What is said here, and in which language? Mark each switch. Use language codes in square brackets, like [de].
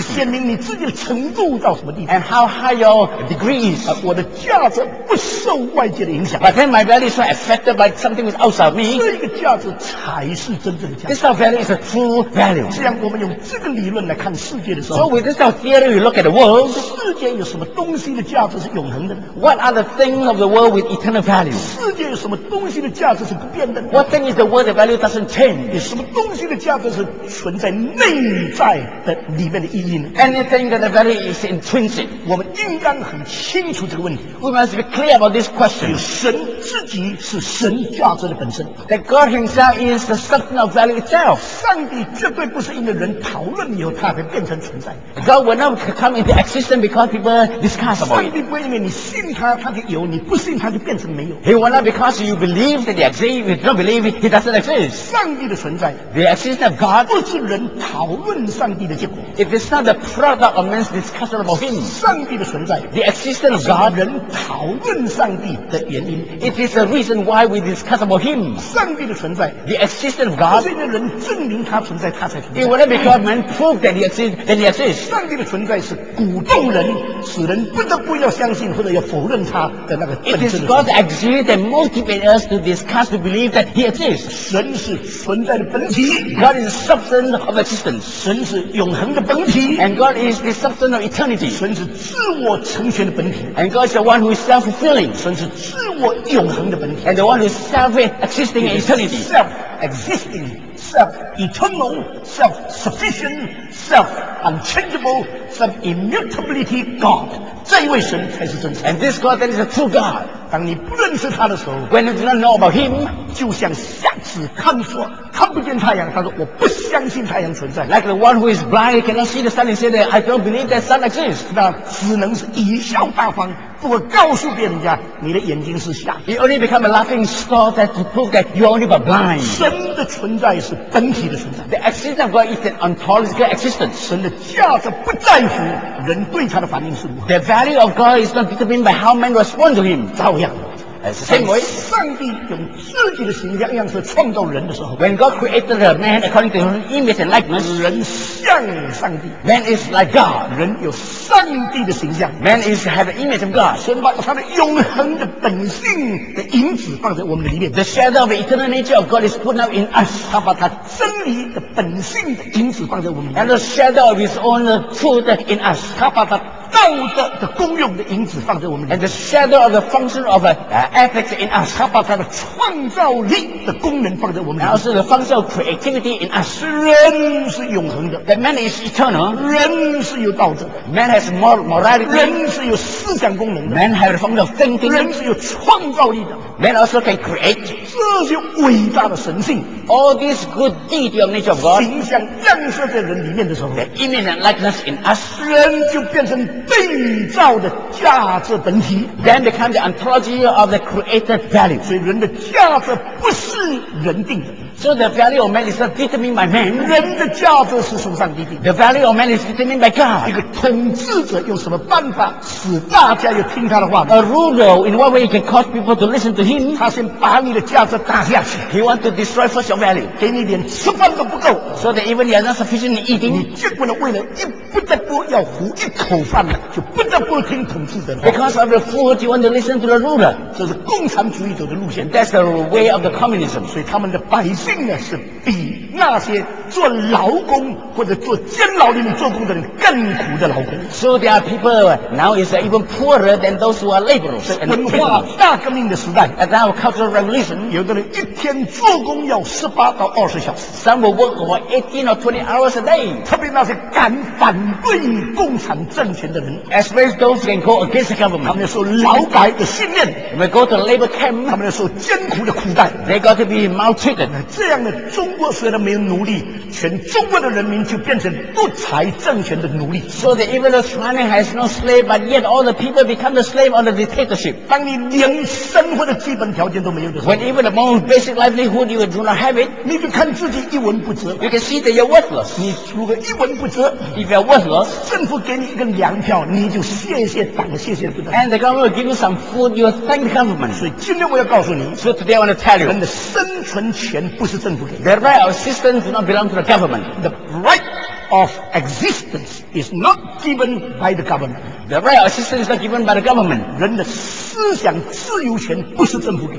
[zh] 显明你自己的程度到什么地步。 [en] And how high your degree is. [zh] 我的价值不受外界的影响。 [en] But then my value is not affected by something which is outside of me. [zh] 这个价值才是真正的价值。 [en] This type of value is a true value. [zh] 这样我们用这个理论来看世界的时候。 [en] So with this type of theory, you look at the world. [zh] 世界有什么东西的价值是永恒的。 [en] What are the things of the world with eternal value? [zh] 世界有什么东西的价值是不变的？ [en] What thing is the world the value doesn't change? [zh] 有什么东西的价值是存在内在的里面的意义呢？ [en] Anything that the value is intrinsic. [zh] 我们应当很清楚这个问题。 [en] We must be clear about this question. [zh] 神自己是神价值的本身。 [en] That God himself is the substance of value itself. [zh] 上帝绝对不是因为人讨论以后他才变成存在。 [en] God will not come into existence because people discuss about it. [zh] 不会因为你信他，他就有；你不信他，就变成没有。 [en] He will not because you believe that he exists. If you don't believe it, he doesn't exist. [zh] 上帝的存在 [en] ，the existence of God， [zh] 不是人讨论上帝的结果。 [en] If it's not the product of man's discussion about him， [zh] 上帝的存在 [en] ，the existence of God， [zh] 人讨论上帝的原因。 [en] It is the reason why we discuss about him。 [zh] 上帝的存在 [en] ，the existence of God， [zh] 不是因为人证明他存在，他才存在。 [en] It will not because man proved that he exists. Then he exists. [zh] 上帝的存在是鼓动人，使人不得不要相信。信或者要否认他的那个本质。 [en] It is God's idea that motivates us to discuss to believe that He exists. [zh] 神是存在的本体。 [en] God is the substance of existence. [zh] 神是永恒的本体。 [en] And God is the substance of eternity. [zh] 神是自我成全的本体。 [en] And God is the one who is self-fulfilling. [zh] 神是自我永恒的本体。 [en] And the one who is self-existing in eternity. Self-existing. Self-eternal, self-sufficient, self-unchangeable, self-immutability God. [zh] 这一位神才是真神。 [en] And this God that is a true God. [zh] 当你不认识他的时候 [en] ，When you do not know about him, [zh] 就像瞎子看说看不见太阳，他说我不相信太阳存在。 [en] Like the one who is blind cannot see the sun and say that I don't believe that sun exists. [zh] 那只能是贻笑大方。我告诉别人家，你的眼睛是瞎。 [en] You only become a laughing stock that to prove that you only but blind. [zh] 神的存在是本体的存在。 [en] The existence of God is an ontological existence. [zh] 神的价值不在乎人对他的反应是如何。 [en] The value of God is not determined by how men respond to Him. [zh] 照样。 [en] Same way, [zh] 上帝用自己的形象样式创造人的时候 [en] ，When God created a man according to His image and likeness, [zh] 人像上帝 [en] ，Man is like God, [zh] 人有上帝的形象 [en] ，Man is have an image of God. [zh] 神把他的永恒的本性的影子放在我们里面 [en] ，The shadow of the eternal nature of God is put out in us. [zh] 他把他真理的本性的影子放在我们里面 [en] ，And the shadow of His own truth in us. [zh] 他把他道德的功用的影子放在我们里面 [en] ，and the shadow of the function of ethics in us， [zh] 他把他的创造力的功能放在我们里面 [en] ，and also the function of creativity in us。 [zh] 人是永恒的 [en] ，that man is eternal。 [zh] 人是有道德的 [en] ，man has morality。 [zh] 人是有思想功能的 [en] ，man has the function of thinking。 [zh] 人是有创造力的 [en] ，man also can create。 [zh] 这些伟大的神性 [en] ，all this good deed of nature of God， [zh] 形象映射在人里面的时候 [en] ，the image and likeness in us， [zh] 人就变成。被造的价值本体 [en] then become the ontology of the created value [zh] 所以人的价值不是人定的 [en] so the value of man is not determined by man [zh] 人的价值是从上帝定 [en] the value of man is determined by God [zh] 一个统治者用什么办法使大家又听他的话 [en] a ruler in what way he can cause people to listen to him [zh] 他先把你的价值打下去 [en] he wants to destroy first your value [zh] 给你连吃饭都不够 [en] so that even you are not sufficient in eating [zh] 你结果呢为了一不得不要糊一口饭就不得不听统治者的 [en] Because of the food, you want to listen to the ruler. [zh] 这是共产主义者的路线 [en] That's the way of the communism. [zh] 所以他们的百姓呢，是比那些做劳工或者做监牢里面做工的人更苦的劳工 [en] So there are people now is even poorer than those who are laborers. [zh] 文化大革命的时代 [en] At our cultural revolution, [zh] 有的人一天做工要18到20小时 [en] Some will work for 18 or 20 hours a day. [zh] 特别那些敢反对共产政权 [en] Especially those who go against the government. [zh] 他们受劳改的训练 [en] They go to labor camp. [zh] 他们受艰苦的苦待 [en] They got to be maltreated. [zh] 这样的中国虽然没有奴隶全中国的人民就变成独裁政权的奴隶 [en] So that even the China has no slave but yet all the people become the slave of the dictatorship. [zh] 当你连生活的基本条件都没有的时候 [en] When even the most basic livelihood you do not have it. [zh] 你就看自己一文不值 [en] You can see that you're worthless. [zh] 你如果一文不值 [en] If you're worthless. [zh] 政府给你一个粮票你就谢谢党谢谢不得 [en] And the government will give you some food you will thank the government [zh] 所以今天我要告诉你 [en] So today I want to tell you [zh] 人的生存权不是政府给 [en] The right of existence does not belong to the government The right of existence is not given by the government The right of existence is not given by the government [zh] 人的思想自由权不是政府给